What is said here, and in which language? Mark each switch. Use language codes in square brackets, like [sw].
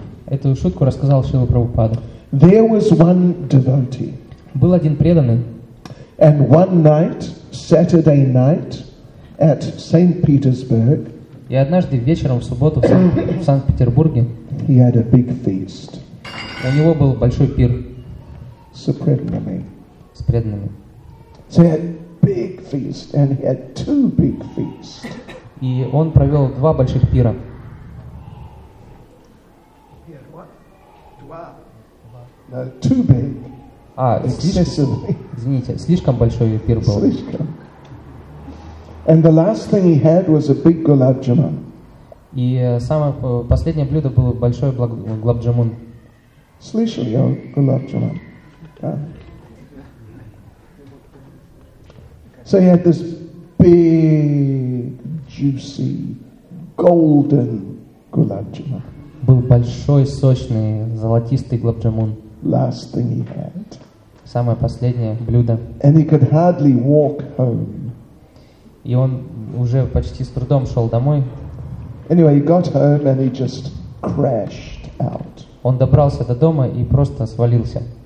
[ru] Эту шутку рассказал Шрила Прабхупада. [en] There was one devotee. [ru] Был один преданный. [en] And one night, Saturday night, at Saint Petersburg. [ru] И однажды вечером в субботу в Санкт-Петербурге. [en] He had a big feast. [ru] У него был большой пир. С преданными. С преданными. [en] So he had big feast and he had two big feasts. [ru] И он провел два больших пира. [en] Two big. [ru] А, слишком большой пир был. Слишком. [en] And the last thing he had was a big gulab jamun. [ru] И самое последнее блюдо было большой гулаб джамун. Слышали о гулаб джамун? [en] So he had this big, juicy, golden gulab jamun. [ru] Был большой, сочный, золотистый гулаб джамун. [en] Last thing he had. [ru] Самое последнее блюдо. [en] And he could hardly walk home. [ru] И он уже почти с трудом шел домой. [en] Anyway, he got home and he just crashed out. [ru] Он добрался до дома и просто свалился.